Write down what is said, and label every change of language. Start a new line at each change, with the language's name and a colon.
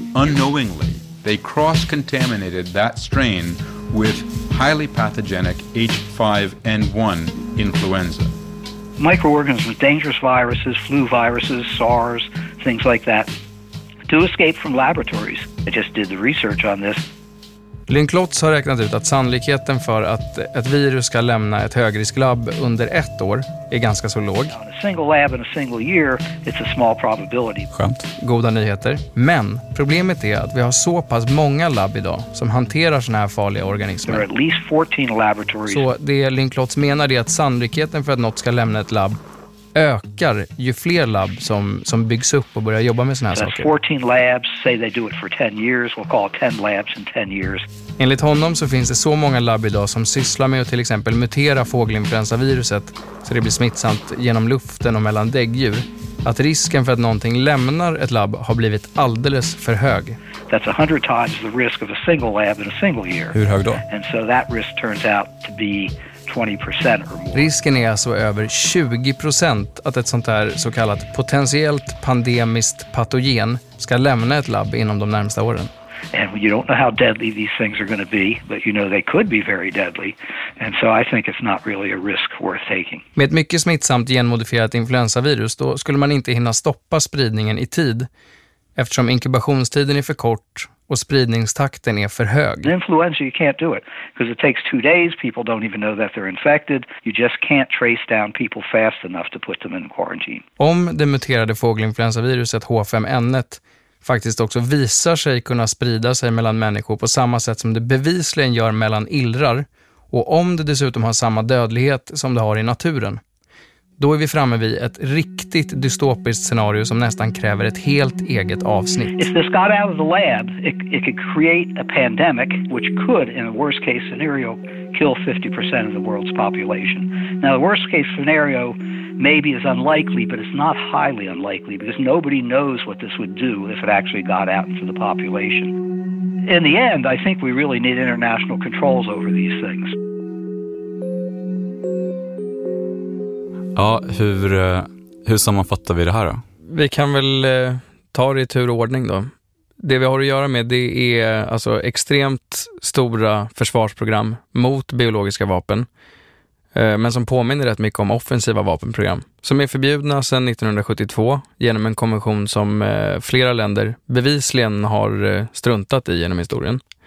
English: Unknowingly, they cross-contaminated that strain with highly pathogenic H5N1 influenza. Microorganisms, dangerous viruses, flu viruses, SARS, things like that. To escape from laboratories. I just did the research on this.
Swedish: Lynn Klotz har räknat ut att sannolikheten för att ett virus ska lämna ett högrisklabb under ett år är ganska så låg.
English: A single lab in a single year, it's a small probability.
Swedish: Skönt. Goda nyheter. Men problemet är att vi har så pass många labb idag som hanterar såna här farliga organismer.
English: There are at least 14 laboratories.
Swedish: Så det Lynn Klotz menar är att sannolikheten för att något ska lämna ett labb ökar ju fler labb som byggs upp och börjar jobba med såna här saker.
English: 14 labs, say they do it for 10 years, we'll call 10 labs in 10 years.
Swedish: Enligt honom så finns det så många labb idag som sysslar med att till exempel mutera fågelinfluensaviruset så det blir smittsamt genom luften och mellan däggdjur, att risken för att någonting lämnar ett labb har blivit alldeles för hög.
English: That's 100 times the risk of a single lab in a single year.
Swedish: Hur hög då?
English: And so that risk turns out to be 20% or more.
Swedish: Risken är alltså över 20% att ett sånt här så kallat potentiellt pandemiskt patogen ska lämna ett labb inom de närmsta åren.
English: And you don't know how deadly these things are going to be, but you know they could be very deadly. And so I think it's not really a risk worth taking.
Swedish: Med ett mycket smittsamt genmodifierat influensavirus, då skulle man inte hinna stoppa spridningen i tid eftersom inkubationstiden är för kort och spridningstakten är för hög.
English: Influenza, you can't do it because it takes 2 days. People don't even know that they're infected. You just can't trace down people fast enough to put them in quarantine.
Swedish: Om det muterade fågelinfluensaviruset H5N1 faktiskt också visar sig kunna sprida sig mellan människor på samma sätt som det bevisligen gör mellan illrar, och om det dessutom har samma dödlighet som det har i naturen, då är vi framme vid ett riktigt dystopiskt scenario som nästan kräver ett helt eget avsnitt.
English: If this got out of the lab, it could create a pandemic which could, in a worst case scenario, kill 50% of the world's population. Now, the worst case scenario maybe is unlikely, but it's not highly unlikely because nobody knows what this would do if it actually got out into the population. In the end, I think we really need international controls over these things.
Swedish: Ja, hur sammanfattar vi det här då? Vi kan väl ta det i tur och ordning då. Det vi har att göra med, det är alltså extremt stora försvarsprogram mot biologiska vapen. Men som påminner rätt mycket om offensiva vapenprogram. Som är förbjudna sedan 1972 genom en konvention som flera länder bevisligen har struntat i genom historien.